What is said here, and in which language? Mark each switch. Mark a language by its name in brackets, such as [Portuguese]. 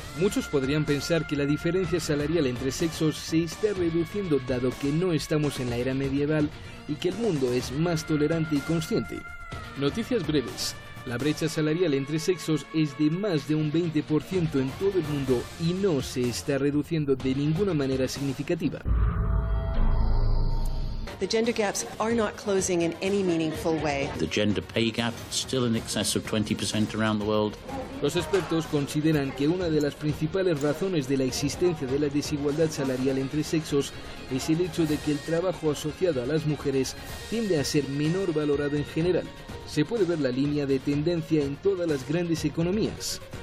[Spanish] Muchos podrían pensar que la diferencia salarial entre sexos se está reduciendo dado que no estamos en la era medieval y que el mundo es más tolerante y consciente. Noticias breves. La brecha salarial entre sexos es de más de un 20% en todo el mundo y no se está reduciendo de ninguna manera significativa. [English] The gender gaps are not closing in any meaningful way. The gender pay gap still in excess of 20% around the world. [Spanish] Los expertos consideran que una de las principales razones de la existencia de la desigualdad salarial entre sexos es el hecho de que el trabajo asociado a las mujeres tiende a ser menor valorado en general. Se puede ver la línea de tendencia en todas las grandes economías.